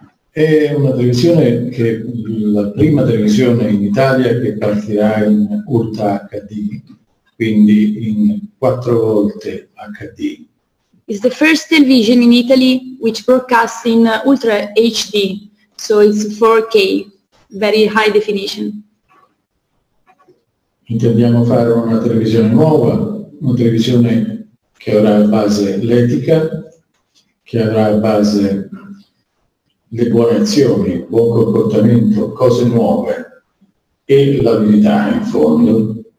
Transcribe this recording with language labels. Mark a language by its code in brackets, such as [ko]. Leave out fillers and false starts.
[it] È una televisione che è la prima televisione in Italia che partirà in ultra HD, quindi in 4 volte HD. [en] It's the first television in Italy which broadcasts in ultra HD, so it's 4K, very high definition. [it] Intendiamo fare una televisione nuova, una televisione che avrà a base l'etica, che avrà a base le buone azioni, buon comportamento, cose nuove e la verità in fondo.